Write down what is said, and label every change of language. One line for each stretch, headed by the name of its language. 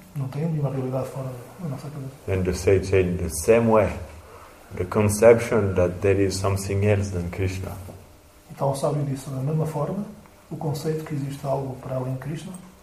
Portuguese: Não tem nenhuma realidade fora da nossa cabeça.
English: And the sage said, in the same way, the conception that there is something else than Krishna.
Portuguese: Então o sábio disse da mesma forma, o conceito que existe algo para além de Krishna.